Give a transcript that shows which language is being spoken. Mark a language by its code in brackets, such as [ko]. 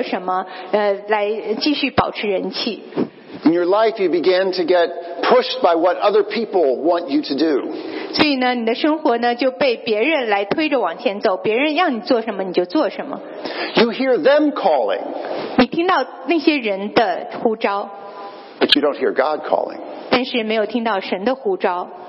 [zh] 因为如果是只是专注于人气的话，你会想别人需要你做什么，你就去做什么，来继续保持人气。 [en] In your life, you begin to get pushed by what other people want you to do. [zh] 所以呢，你的生活呢就被别人来推着往前走，别人让你做什么你就做什么。 [en] You hear them calling. [zh] 你听到那些人的呼召。 [en] But you don't hear God calling. [zh] 但是没有听到神的呼召。